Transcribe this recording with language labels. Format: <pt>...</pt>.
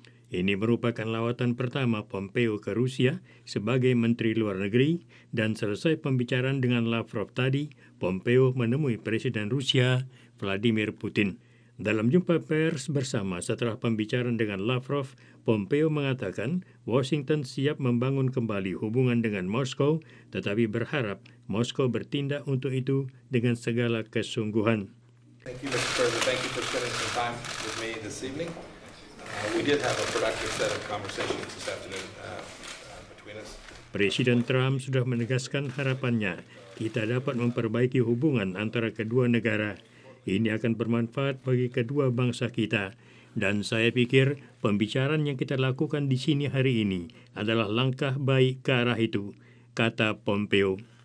<id>Ini merupakan lawatan pertama Pompeo ke Rusia sebagai Menteri Luar Negeri, dan selesai pembicaraan dengan Lavrov tadi, Pompeo menemui Presiden Rusia, Vladimir Putin. Dalam jumpa pers bersama setelah pembicaraan dengan Lavrov, Pompeo mengatakan Washington siap membangun kembali hubungan dengan Moskow, tetapi berharap Moskow bertindak untuk itu dengan segala kesungguhan.</id> <en>Thank you, Mr. President. Thank you for spending some time with me this evening. We did have a productive set of conversations this afternoon between us.</en> <id>Presiden Trump sudah menegaskan harapannya kita dapat memperbaiki hubungan antara kedua negara. Ini akan bermanfaat bagi kedua bangsa kita. Dan saya pikir pembicaraan yang kita lakukan di sini hari ini adalah langkah baik ke arah itu, kata Pompeo.</id>